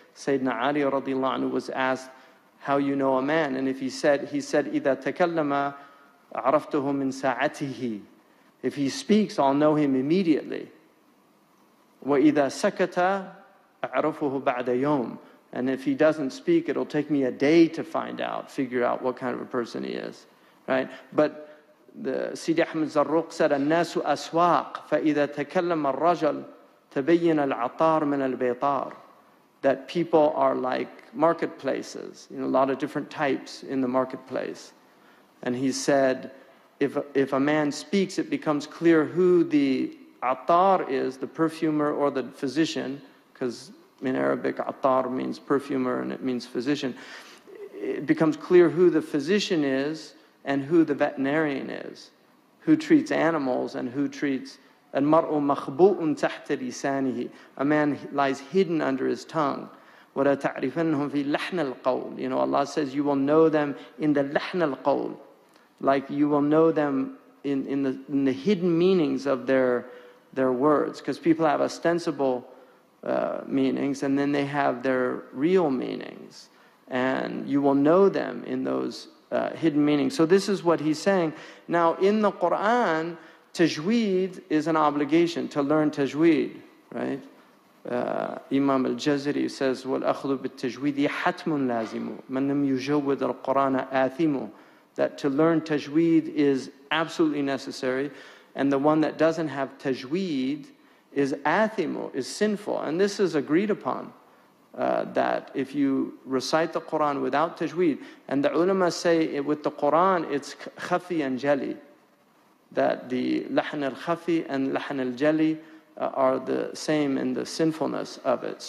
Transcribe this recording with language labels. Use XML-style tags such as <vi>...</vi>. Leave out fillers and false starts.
<en>Sayyidina Ali radiallahu anhu was asked how you know a man, and if he said,</en> <ar>إِذَا تَكَلَّمَا عَرَفْتُهُ مِنْ سَاعَتِهِ.</ar> <en>If he speaks, I'll know him immediately.</en> <ar>وَإِذَا سَكَتَ أَعْرَفُهُ بَعْدَ يَوْمٍ.</ar> <en>And if he doesn't speak, it'll take me a day to figure out what kind of a person he is. Right? But the Sidi Ahmed Zarruq said,</en> <ar>النَّاسُ أَسْوَاقٌ فَإِذَا تَكَلَّمَ الرَّجَلُ تَبَيِّنَ الْعَطَارُ مِنَ الْبَيْطَارِ.</ar> <en>That people are like marketplaces, you know, a lot of different types in the marketplace. And he said, if a man speaks, it becomes clear who the attar is, the perfumer or the physician, because in Arabic, attar means perfumer and it means physician. It becomes clear who the physician is and who the veterinarian is, who treats animals and who treats...</en> <ar>المرء مخبوء تحت لسانه.</ar> <en>A man lies hidden under his tongue.</en> <ar>ولا تعرفنهم في لحن القول.</ar> <en>You know, Allah says you will know them in the</en> <ar>لحن القول.</ar> <en>Like you will know them in the hidden meanings of their words. Because people have ostensible meanings and then they have their real meanings. And you will know them in those hidden meanings. So this is what he's saying. Now in the Quran, tajweed is an obligation to learn tajweed, right? Imam al-Jazari says,</en> <ar>وَالْأَخْذُ بِالتَّجْوِيدِ حَتْمٌ لَازِمُ مَنْ لَمْ يُجَوِّدَ الْقُرَانَ آثِمُ.</ar> <en>That to learn tajweed is absolutely necessary, and the one that doesn't have tajweed is athimu, is sinful. And this is agreed upon, that if you recite the Qur'an without tajweed, and the ulama say it, with the Qur'an, it's khafi and jali, that the lahn al-khafi and lahn al-jali are the same in the sinfulness of it.</en>